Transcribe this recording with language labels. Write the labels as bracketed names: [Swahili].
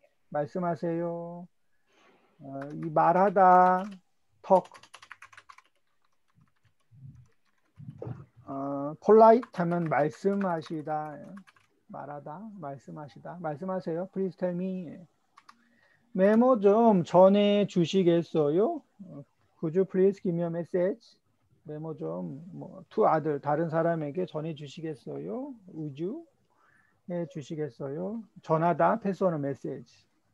[Korean] 말씀하세요. 이 말하다. Talk. Polite 하면 말씀하시다. 말하다. 말씀하시다. 말씀하세요. [English] Please tell me. [Korean] 메모 좀 전해 주시겠어요? [English] Could you please give me a message? [Korean] 메모 좀 뭐 to 아들 다른 사람에게 전해 주시겠어요? [English] Would you [Korean] 해 주시겠어요? 전하다 [English] personal message.